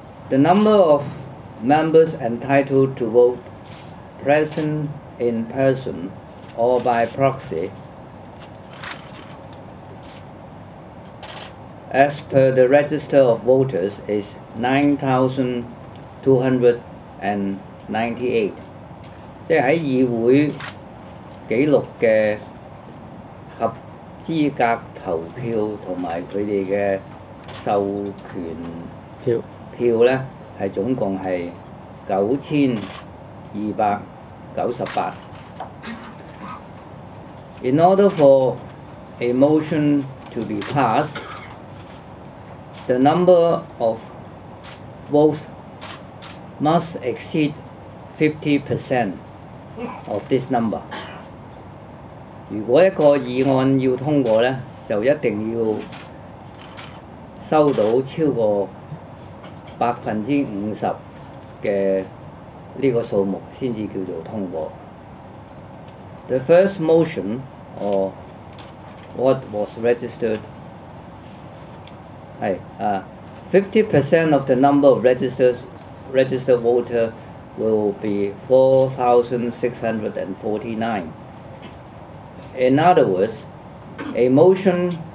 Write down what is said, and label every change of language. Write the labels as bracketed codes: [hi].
[en] The number of members entitled to vote present in person or by proxy as per the register of voters is 9,298. [yue] 即係喺議會記錄嘅合資格投票同埋佢哋嘅授權票咧。係總共係9,298。 [en] In order for a motion to be passed, the number of votes must exceed 50% of this number. [yue] 如果一個議案要通過咧，就一定要收到超過50%嘅呢個數目先至叫做通過。 [en] The first motion or what was registered [yue] 係 [en] 50% of the number of registered voter will be 4,649. In other words, a motion